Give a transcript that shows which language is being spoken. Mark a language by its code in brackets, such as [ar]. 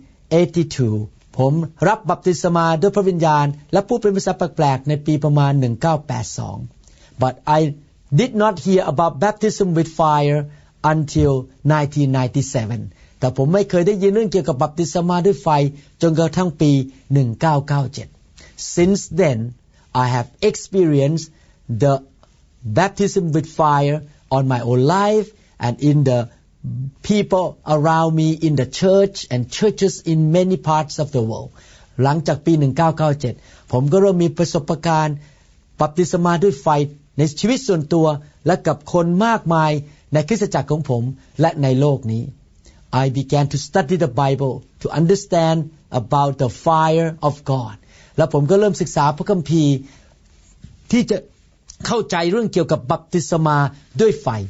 [th] 1982ผมรับบัพติศมาด้วยพระวิญญาณและพูดเป็นภาษาแปลกๆในปีประมาณ1982 [en] but I did not hear about baptism with fireUntil 1997, [th] แต่ผมไม่เคยได้ยินเรื่องเกี่ยวกับบัพติศมาด้วยไฟจนกระทั่งปี 1997. [en] Since then, I have experienced the baptism with fire on my own life and in the people around me in the church and churches in many parts of the world. [th] หลังจากปี 1997, ผมก็เริ่มมีประสบการณ์บัพติศมาด้วยไฟในชีวิตส่วนตัวและกับคนมากมายในคริสตจักรของผมและในโลกนี้ [en] I began to study the Bible to understand about the fire of God [th] และผมก็เริ่มศึกษาพระคัมภีร์ที่จะเข้าใจเรื่องเกี่ยวกับบัพติศมาด้วยไฟ